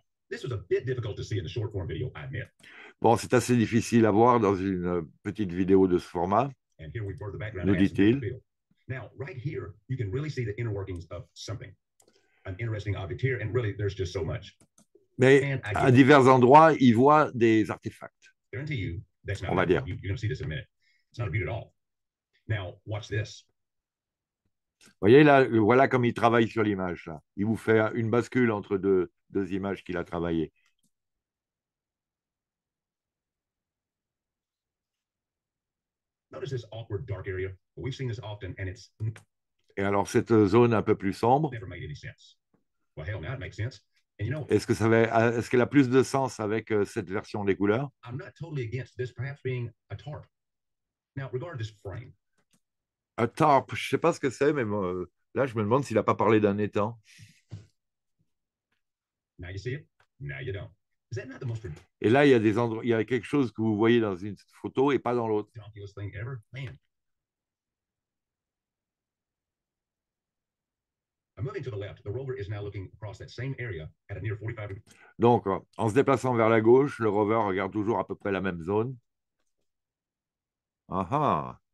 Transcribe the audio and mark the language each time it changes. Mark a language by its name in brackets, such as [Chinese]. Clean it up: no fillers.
[English] This was a bit difficult to see in the short form video, I admit. [French] Bon, c'est assez difficile à voir dans une petite vidéo de ce format, [English] and here we blur the background, [French] nous dit-il. [English] Now, right here, you can really see the inner workings of something. An interesting object here, and really, there's just so much. [French] Mais à divers endroits, il voit des artefacts. [English] Guarantee you, that's not [French] on va dire. [English] You're going to see this in a minute. It's not a beauty at all. Now, watch this. [French] Voyez, là, voilà comme il travaille sur l'image. Là. Il vous fait une bascule entre deux images qu'il a travaillées. [English] Notice this awkward dark area. We've seen this often, and it's... [French] Et alors, cette zone un peu plus sombre, [English] never made any sense. Well, hell, now it makes sense. And you know, [French] est-ce qu'elle a plus de sens avec cette version des couleurs? [English] I'm not totally against this perhaps being a tarp. Now, regard this frame. [French] A tarp, je ne sais pas ce que c'est, mais bon, là, je me demande s'il n'a pas parlé d'un étang. [English] Now you see it. Now you don't. Is that not the most... [French] Et là, il y a quelque chose que vous voyez dans une photo et pas dans l'autre. [English] Donkiest thing ever, man. I'm moving to the left. The rover is now looking across that same area at a near 45 degrees. [French] Donc, en se déplaçant vers la gauche, le rover regarde toujours à peu près la même zone. Ah ah.